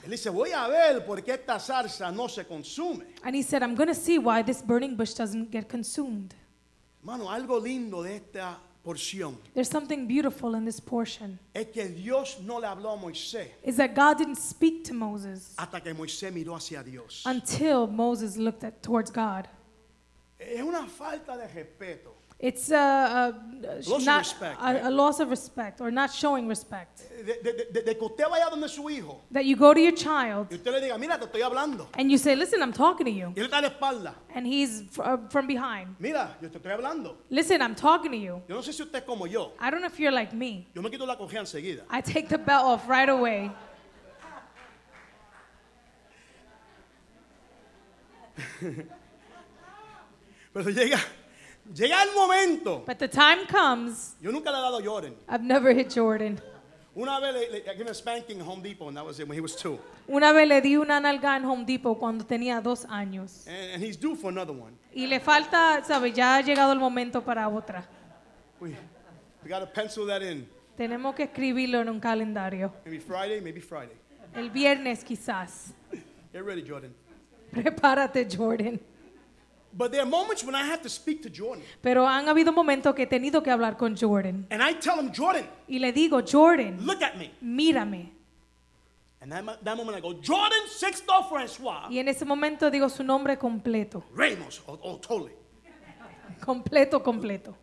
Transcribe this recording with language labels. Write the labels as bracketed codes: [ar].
[es] Él dice, voy a ver por qué esta zarza no se consume. [en] And he said, I'm going to see why this burning bush doesn't get consumed. [es] Mano, algo lindo de esta porción. [en] There's something beautiful in this portion. [es] Es que Dios no le habló a Moisés. [en] Is that God didn't speak to Moses. [es] Hasta que Moisés miró hacia Dios. [en] Until Moses looked at, towards God. [es] Es una falta de respeto. [en] It's a loss of respect or not showing respect. That you go to your child [es] y usted le diga, mira, te estoy hablando. [en] And you say, listen, I'm talking to you. [es] Y él está a la espalda. [en] And he's from behind. [es] Mira, yo te estoy hablando. [en] Listen, I'm talking to you. [es] Yo no sé si usted es como yo. [en] I don't know if you're like me. [es] Yo me quito la correa enseguida. [en] I take the belt off right away. [es] Pero llega. Llega el momento. [en] But the time comes. [es] Yo nunca le he dado Jordan. [en] I've never hit Jordan. [es] Una vez le di una [en] spanking en Home Depot, and that was it when he was two. [es] Una vez le di una nalga en Home Depot cuando tenía dos años. [en] And he's due for another one. [es] Y le falta, sabe, ya ha llegado el momento para otra. [en] We got to pencil that in. [es] Tenemos que escribirlo en un calendario. [en] Maybe Friday. [es] El viernes quizás. [en] Get ready, Jordan. [es] Prepárate, Jordan. [en] But there are moments when I have to speak to Jordan. [es] Pero han habido momentos que he tenido que hablar con Jordan. [en] And I tell him, Jordan. [es] Y le digo, Jordan. [en] Look at me. [es] Mírame. [en] And that moment I go, Jordan Sixto Francois. [es] Y en ese momento digo su nombre completo. [en] Ramos, oh totally. [es] Completo, completo.